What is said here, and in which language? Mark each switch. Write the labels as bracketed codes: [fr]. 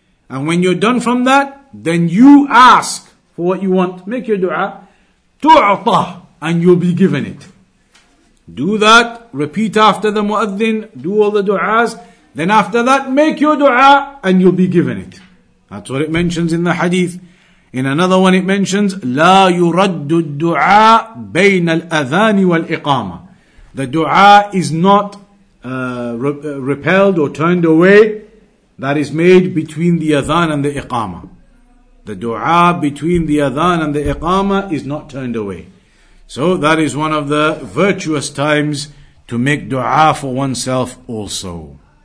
[en] And when you're done from that, then you ask for what you want. Make your dua. [ar] تُعْطَى. [en] And you'll be given it. Do that. Repeat after the muadhin. Do all the du'as. Then after that, make your du'a and you'll be given it. That's what it mentions in the hadith. In another one, it mentions, [ar] لا يرد الدعاء بين الأذان والإقامة. [en] The du'a is not repelled or turned away. That is made between the adhan and the iqama. The du'a between the adhan and the iqama is not turned away. So that is one of the virtuous times to make dua for oneself also.